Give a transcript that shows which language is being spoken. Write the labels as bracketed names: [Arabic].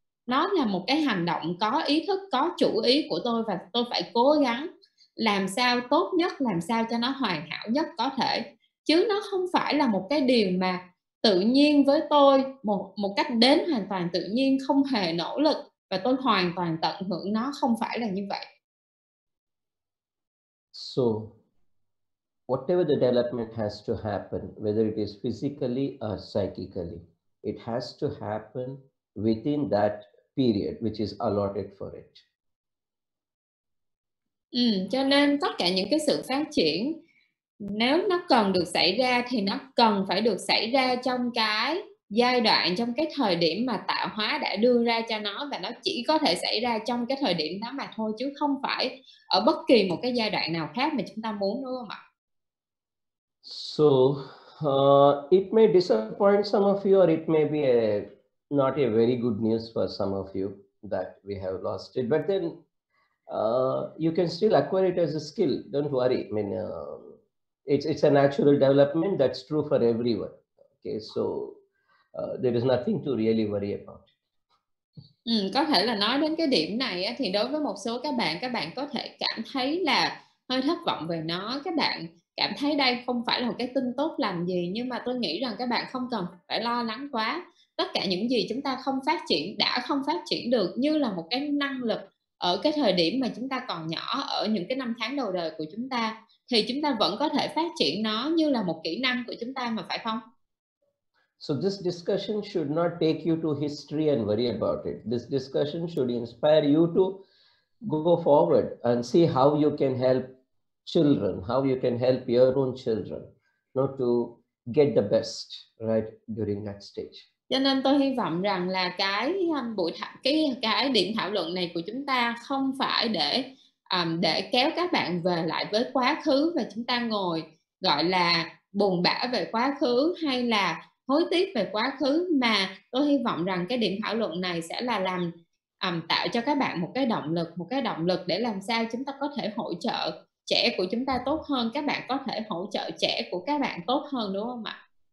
[Vietnamese] Nó là một cái hành động có ý thức, có chủ ý của tôi, và tôi phải cố gắng làm sao tốt nhất, làm sao cho nó hoàn hảo nhất có thể. Chứ nó không phải là một cái điều mà tự nhiên với tôi, một cách đến hoàn toàn tự nhiên, không hề nỗ lực, và tôi hoàn toàn tận hưởng nó, không phải là như vậy. [English] So, whatever the development has to happen, whether it is physically or psychically, it has to happen within that period which is allotted for it. [Vietnamese] Ừ, cho nên tất cả những cái sự phát triển, nếu nó cần được xảy ra thì nó cần phải được xảy ra trong cái giai đoạn, trong cái thời điểm mà tạo hóa đã đưa ra cho nó, và nó chỉ có thể xảy ra trong cái thời điểm đó mà thôi, chứ không phải ở bất kỳ một cái giai đoạn nào khác mà chúng ta muốn, đúng không ạ? [English] So, it may disappoint some of you, or it may be a not a very good news for some of you that we have lost it, but then you can still acquire it as a skill. Don't worry. I mean, it's a natural development. That's true for everyone. Okay, so there is nothing to really worry about. [Vietnamese] Ừ, có thể là nói đến cái điểm này á, thì đối với một số các bạn có thể cảm thấy là hơi thất vọng về nó. Các bạn cảm thấy đây không phải là một cái tin tốt lành gì, nhưng mà tôi nghĩ rằng các bạn không cần phải lo lắng quá. Tất cả những gì chúng ta không phát triển, đã không phát triển được như là một cái năng lực ở cái thời điểm mà chúng ta còn nhỏ, ở những cái năm tháng đầu đời của chúng ta, thì chúng ta vẫn có thể phát triển nó như là một kỹ năng của chúng ta mà, phải không? [English] So this discussion should not take you to history and worry about it. This discussion should inspire you to go forward and see how you can help children, how you can help your own children, not to get the best right during that stage. [Vietnamese] Cho nên tôi hy vọng rằng là cái điểm thảo luận này của chúng ta không phải để kéo các bạn về lại với quá khứ và chúng ta ngồi gọi là buồn bã về quá khứ hay là hối tiếc về quá khứ, mà tôi hy vọng rằng cái điểm thảo luận này sẽ là làm tạo cho các bạn một cái động lực để làm sao chúng ta có thể hỗ trợ trẻ của chúng ta tốt hơn, các bạn có thể hỗ trợ trẻ của các bạn tốt hơn, đúng không ạ?